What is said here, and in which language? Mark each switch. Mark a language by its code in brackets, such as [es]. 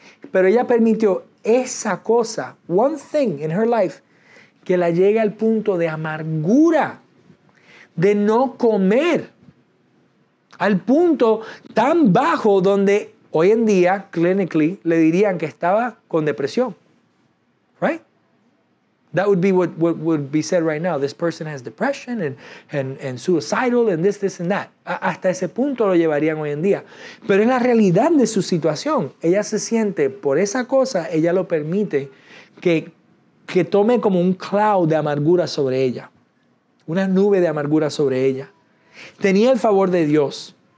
[es] Pero ella permitió esa cosa, [en] one thing in her life, [es] que la llegue al punto de amargura, de no comer. Al punto tan bajo donde hoy en día, clinically, le dirían que estaba con depresión. [en] Right? That would be what would be said right now. This person has depression and suicidal and this and that. [es] Hasta ese punto lo llevarían hoy en día. Pero en la realidad de su situación, ella se siente por esa cosa, ella lo permite que tome como un cloud de amargura sobre ella. Una nube de amargura sobre ella. Tenía el favor de Dios.